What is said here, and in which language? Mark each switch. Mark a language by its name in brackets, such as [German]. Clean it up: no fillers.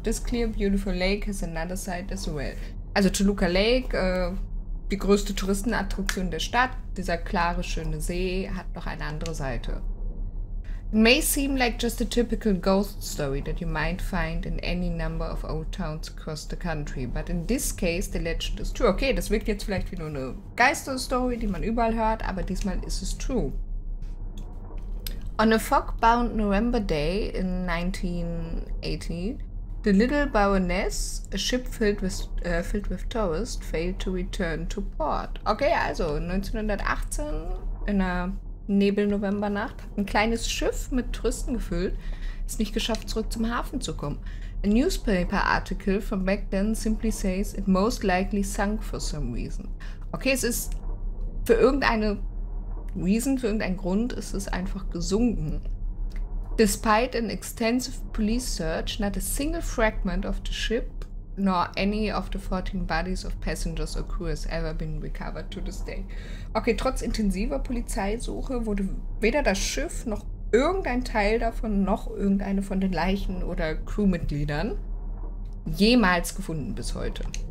[English] This clear, beautiful lake has another side as well. [German] Also Toluca Lake, die größte Touristenattraktion der Stadt. Dieser klare, schöne See hat noch eine andere Seite. [English] may seem like just a typical ghost story that you might find in any number of old towns across the country, but in this case the legend is true. [German] Okay, das wirkt jetzt vielleicht wie nur eine Geisterstory, die man überall hört, aber diesmal ist es true. [English] On a fog-bound November day in 1918, the little Baroness, a ship filled with tourists, failed to return to port. [German] Okay, also 1918 in einer Nebel-November-Nacht hat ein kleines Schiff mit Touristen gefüllt, es nicht geschafft, zurück zum Hafen zu kommen. [English] A newspaper article from back then simply says it most likely sunk for some reason. [German] Okay, es ist für irgendeine Reason, für irgendeinen Grund ist es einfach gesunken. [English] Despite an extensive police search, not a single fragment of the ship nor any of the 14 bodies of passengers or crew has ever been recovered to this day. [German] Okay, trotz intensiver Polizeisuche wurde weder das Schiff noch irgendein Teil davon noch irgendeine von den Leichen oder Crewmitgliedern jemals gefunden bis heute.